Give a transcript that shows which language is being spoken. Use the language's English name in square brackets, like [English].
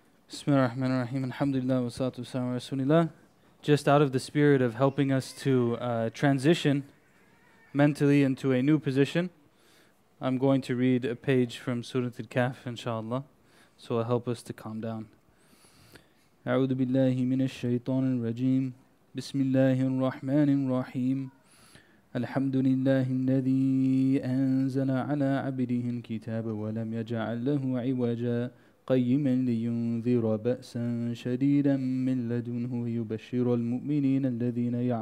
[Arabic] بسم الله الرحمن الرحيم الحمد لله والصلاة والسلام على رسول الله. [English] Just out of the spirit of helping us to transition mentally into a new position, I'm going to read a page from Surah Al-Kahf, inshallah, so it'll help us to calm down. [Arabic] أعوذ بالله من الشيطان الرجيم بسم الله الرحمن الرحيم الحمد لله الذي أنزل على عبده الكتاب ولم يجعل له عوجا قيما لينذر بأسا شديدا من لدنه يبشر المؤمنين الذين